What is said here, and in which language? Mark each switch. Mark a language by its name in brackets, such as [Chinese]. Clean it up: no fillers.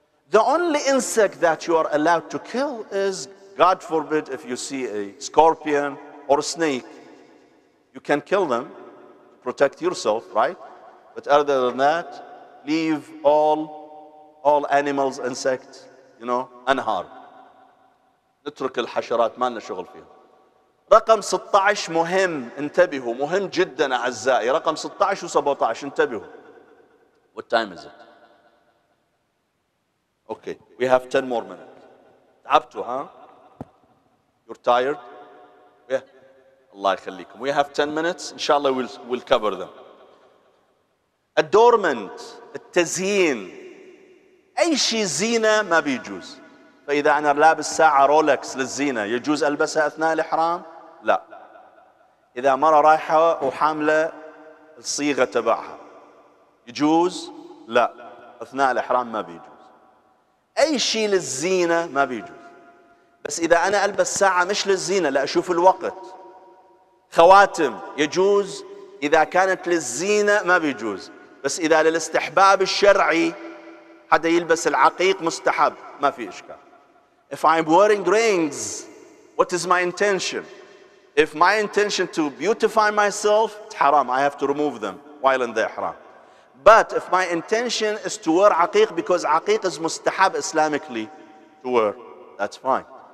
[English] The only insect that you are allowed to kill is, God forbid, if you see a scorpion or a snake, you can kill them. Protect yourself, right? But other than that, leave all animals, insects, you know, unharmed. [Arabic] نترك الحشرات ما لنا شغل فيها. رقم 16 مهم انتبهوا مهم جدا أعزائي رقم 16 و17 انتبهوا. [English] What time is it? Okay, we have 10 more minutes. [Arabic] تعبتوا ها? [English] You're tired? [Arabic] الله يخليكم. [English] We have 10 minutes. Inshallah, we'll cover them. Adornment, التزيين. [Arabic] أي شيء زينة ما بيجوز. فإذا أنا لابس ساعة رولكس للزينة يجوز ألبسها أثناء الإحرام؟ لا. إذا مرة رايحة وحاملة الصيغة تبعها يجوز؟ لا. أثناء الإحرام ما بيجوز. أي شيء للزينة ما بيجوز. بس إذا أنا ألبس ساعة مش للزينة لأشوف الوقت. خواتم يجوز إذا كانت للزينة ما بيجوز بس إذا للاستحباب الشرعي حدا يلبس العقيق مستحب ما في إشكال. [English] If I'm wearing rings, what is my intention? If my intention to beautify myself, it's haram. I have to remove them while in the ihram. But if my intention is to wear عقيق because عقيق is مستحب Islamically to wear, that's fine.